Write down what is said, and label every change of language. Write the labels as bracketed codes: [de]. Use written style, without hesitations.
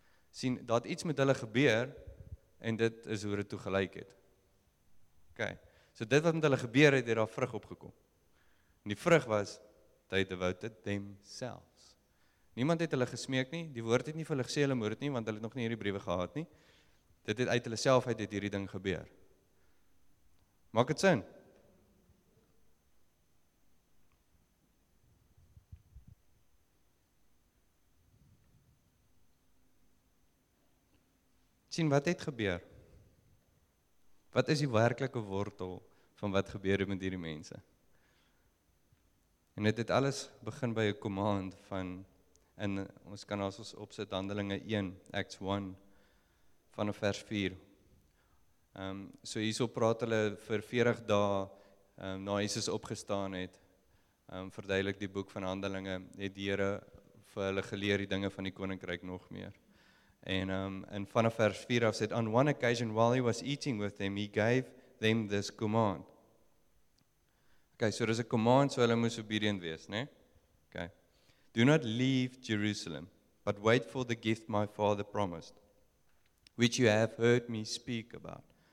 [af] Sien, dat iets met hulle gebeur, en dit is hoe dit toegelyk het. Ok, so dit wat met hulle gebeur het, het daar vrug opgekom. En die vrug was, [en] they devoted themselves. [af] Niemand het hulle gesmeek nie, die woord het nie vir hulle gesê, hulle moer het nie, want hulle het nog nie hierdie briewe gehad nie. Dit het uit hulle self uit het hierdie ding gebeur. Maak het sin? Sien, wat het gebeur? Wat is die werklike wortel van wat gebeur met hierdie mense? En het alles begin by 'n command van, en ons kan as ons opsit Handelinge 1, Acts 1, vanaf vers 4. So hierso praat hulle vir 40 dae, na Jesus opgestaan het, verduidelik die boek van Handelinge, het die Here vir hulle geleer die dinge van die koninkryk nog meer. [en] And from verse 4, I said, on one occasion while he was eating with them, he gave them this command. Okay, so there's a command, so [af] hulle moes obedient wees, né? [en] Okay. Do not leave Jerusalem, but wait for the gift my father promised, which you have heard me speak about.